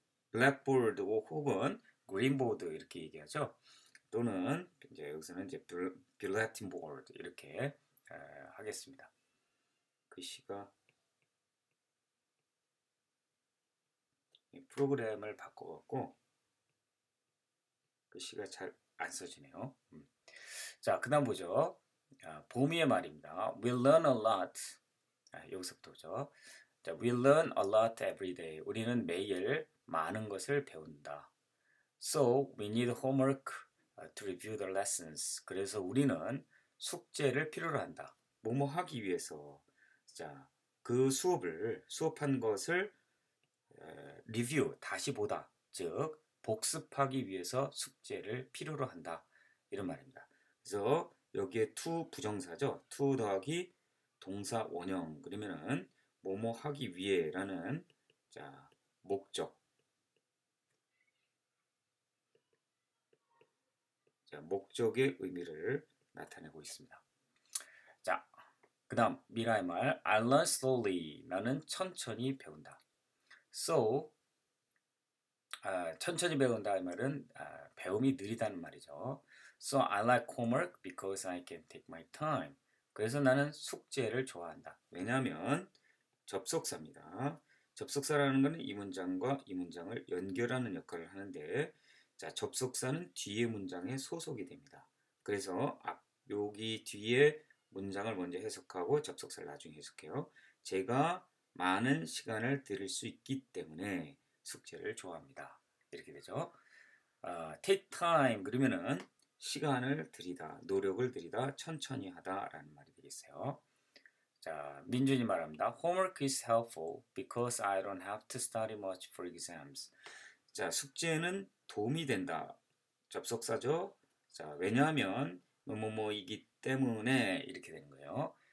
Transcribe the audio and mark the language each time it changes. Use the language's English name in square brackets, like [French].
[Korean] blackboard 혹은 greenboard 이렇게 얘기하죠 또는 이제 여기서는 이제 bulletin board 이렇게 하겠습니다 글씨가 프로그램을 바꿔갖고 글씨가 잘안 써지네요. 자, 그다음 보죠. 봄이의 말입니다. [English] We'll learn a lot. [Korean] 여기서부터 보죠. [English] 자, we'll learn a lot every day. [Korean] 우리는 매일 많은 것을 배운다. [English] So we need homework to review the lessons. [Korean] 그래서 우리는 숙제를 필요로 한다. 뭐뭐 하기 위해서. 자, 그 수업을 수업한 것을 리뷰, 다시 보다, 즉 복습하기 위해서 숙제를 필요로 한다 이런 말입니다. 그래서 여기에 to 부정사죠. to 더하기 동사 원형 그러면은 뭐뭐 하기 위해라는 자 목적 자 목적의 의미를 나타내고 있습니다. 자 그다음 미라의 말 [English] I learn slowly [Korean] 나는 천천히 배운다. So 천천히 배운다 이 말은 배움이 느리다는 말이죠. [English] So I like homework because I can take my time. [Korean] 그래서 나는 숙제를 좋아한다. 왜냐하면 접속사입니다. 접속사라는 것은 이 문장과 이 문장을 연결하는 역할을 하는데, 자 접속사는 뒤에 문장에 소속이 됩니다. 그래서 앞 여기 뒤에 문장을 먼저 해석하고 접속사를 나중에 해석해요. 제가 많은 시간을 들일 수 있기 때문에 숙제를 좋아합니다. 이렇게 되죠. Take time 그러면은 시간을 들이다, 노력을 들이다, 천천히 하다라는 말이 되겠어요. 자, 민준이 말합니다. [English] Homework is helpful because I don't have to study much for exams. [Korean] 자, 숙제는 도움이 된다. 접속사죠. 자, 왜냐하면 뭐뭐뭐이기 때문에 이렇게 된 거예요.